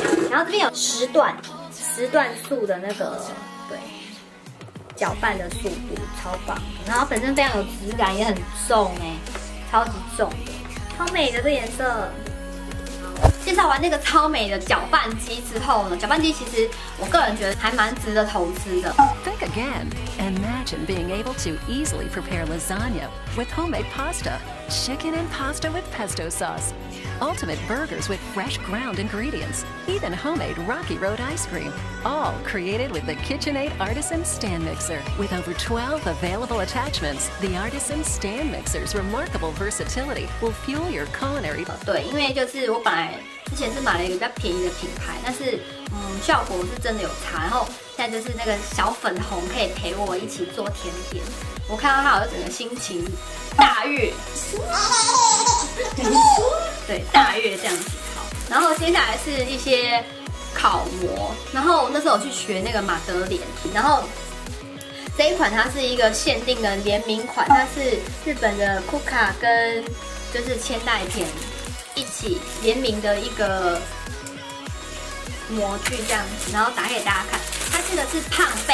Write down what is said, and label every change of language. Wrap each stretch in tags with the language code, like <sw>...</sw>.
<zh>然后这边有十段速的那个，对，搅拌的速度超棒，然后本身非常有质感，也很重哎，超级重的，超美的这颜色。介绍完那个超美的搅拌机之后呢，搅拌机其实我个人觉得还蛮值得投资的。</zh> <en>Think again, imagine being able to easily prepare lasagna with homemade pasta, chicken and pasta with pesto sauce. Ultimate burgers with fresh ground ingredients, even homemade Rocky Road ice cream, all created with the KitchenAid Artisan Stand Mixer. With over 12 available attachments, the Artisan Stand Mixer's remarkable versatility will fuel your culinary.</en> <zh>对，因为就是我本来之前是买了一个比较便宜的品牌，但是效果是真的有差。然后现在就是那个小粉红可以陪我一起做甜点，我看到它，我就整个心情大悦。对，大约这样子。好，然后接下来是一些烤模，然后那时候我去学那个马德莲，然后这一款它是一个限定的联名款，它是日本的库卡跟就是千代田一起联名的一个模具这样子，然后打给大家看，它这个是胖</zh>